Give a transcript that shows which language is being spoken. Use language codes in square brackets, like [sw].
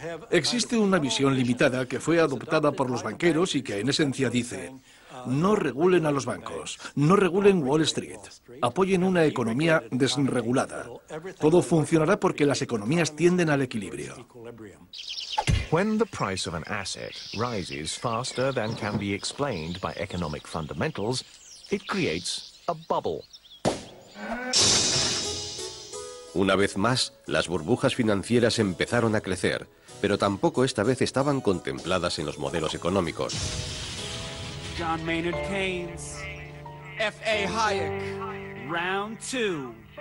[es] Existe una visión limitada que fue adoptada por los banqueros y que en esencia dice: no regulen a los bancos, no regulen Wall Street, apoyen una economía desregulada. Todo funcionará porque las economías tienden al equilibrio. [en] When the price of an asset rises faster than can be explained by economic fundamentals, it creates a bubble. [es] Una vez más, las burbujas financieras empezaron a crecer, pero tampoco esta vez estaban contempladas en los modelos económicos. [en] John Maynard Keynes, F.A. Hayek, round two.